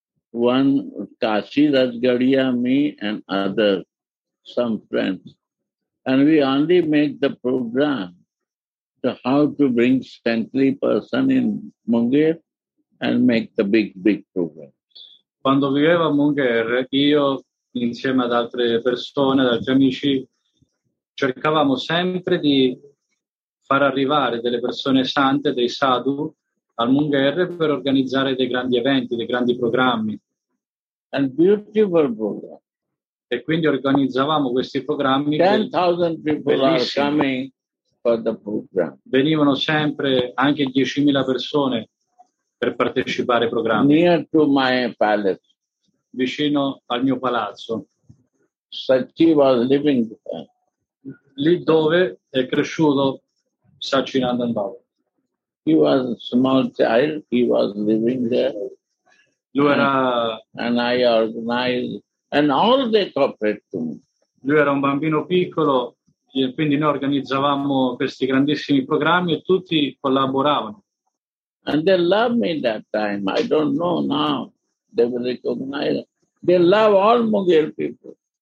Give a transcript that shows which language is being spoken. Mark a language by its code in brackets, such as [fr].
[en] One Kashi Rajgadiya, me and other some friends. And we only make the program to how to bring saintly person in Mungir and make the big, big program. [it] Quando vivevo a Mungir, io insieme ad altre persone, ad altri amici, cercavamo sempre di far arrivare delle persone sante, dei sadhu, al Mungherre per organizzare dei grandi eventi, dei grandi programmi. [en] And beautiful program. [it] E quindi organizzavamo questi programmi. [en] 10,000 people are coming for the program. [it] Venivano sempre anche 10,000 persone per partecipare ai programmi. [en] Near to my palace. [it] Vicino al mio palazzo. [en] Satchi was living there. [it] Lì dove è cresciuto Satchinandanbaba. [en] He was a small child, he was living there. [it] Lui era... [en] And I organized, and all they cooperated to me. [it] Lui era un bambino piccolo, e quindi noi organizzavamo questi grandissimi programmi e tutti collaboravano. [en] And they loved me that time, I don't know now, they will recognize, they love all Mughal people.